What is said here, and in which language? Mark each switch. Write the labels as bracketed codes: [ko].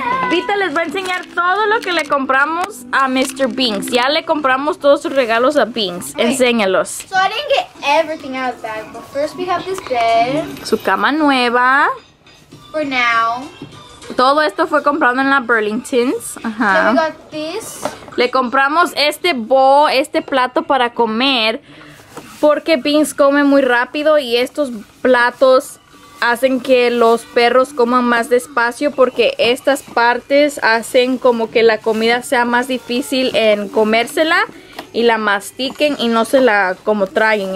[es] Pita les va a enseñar todo lo que le compramos a Mr. Binks. Ya le compramos todos sus regalos a Binks. Okay. Enséñalos. [en] So I didn't get everything out of the bag, but first we have this bed. [es] Su cama nueva. [en] For now. [es] Todo esto fue comprado en la Burlington's. Ajá. [en] So we got this. [es] Le compramos este bowl, este plato para comer, porque Beans come muy rápido y estos platos hacen que los perros coman más despacio, porque estas partes hacen como que la comida sea más difícil en comérsela y la mastiquen y no se la como traguen.